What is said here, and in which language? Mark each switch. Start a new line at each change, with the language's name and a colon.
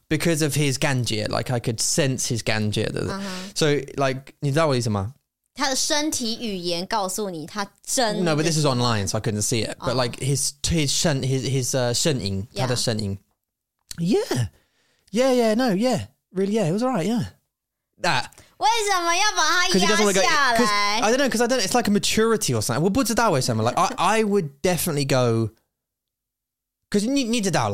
English: Because of his 感觉, like I could sense his 感觉. Uh-huh. So like,
Chinese: 你知道我意思吗? 他的身体语言告诉你他真的...
English: No, but this is online, so I couldn't see it. Oh. But like his 声音, yeah.
Chinese: 他的声音.
English: Yeah. Yeah, yeah, no, yeah. Really, yeah, it was all right, yeah. That...
Chinese: 为什么要把它压下来?
English: I don't know, because I don't. It's like a maturity or something.
Chinese: 我不知道为什么,
English: like I would definitely go, because you need to doubt.